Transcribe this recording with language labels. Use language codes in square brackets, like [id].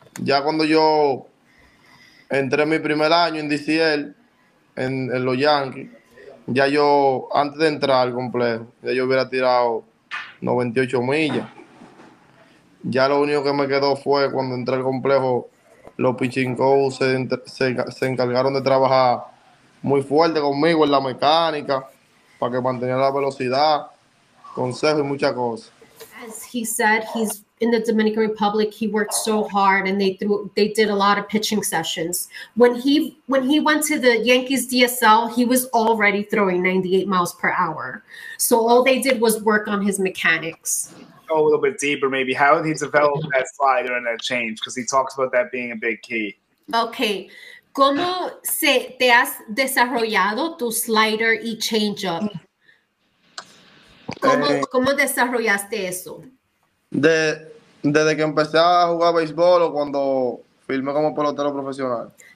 [es] Ya cuando yo entré mi primer año en DCL, en los Yankees, ya yo, antes de entrar al complejo, ya yo hubiera tirado 98 millas. Ya lo único que me quedó fue cuando entré al complejo, los pitching coaches se encargaron de trabajar muy fuerte conmigo en la mecánica para que mantenga la velocidad, consejos y muchas cosas. [en] As he said, he's in the Dominican Republic. He worked so hard, and they did a lot of pitching sessions. When he went to the Yankees DSL, he was already throwing 98 miles per hour. So all they did was work on his mechanics. Go a little bit deeper, maybe. How did he develop that slider and that change? Because he talks about that being a big key. Okay. [es] ¿Cómo te has desarrollado tu slider y change-up? ¿Cómo desarrollaste eso? Desde que empecé a jugar béisbol o cuando firmé como pelotero profesional.